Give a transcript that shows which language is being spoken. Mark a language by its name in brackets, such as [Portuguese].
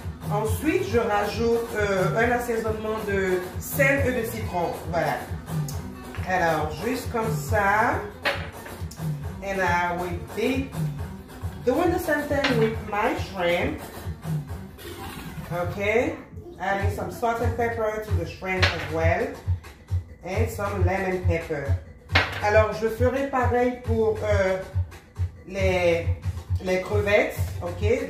[French] Ensuite, je rajoute un assaisonnement de sel et de citron. Voilà. Alors, juste comme ça, [English] and I will be doing the same thing with my shrimp, okay? Adding some salt and pepper to the shrimp as well, and some lemon pepper. [French] Alors, je ferai pareil pour les crevettes, okay?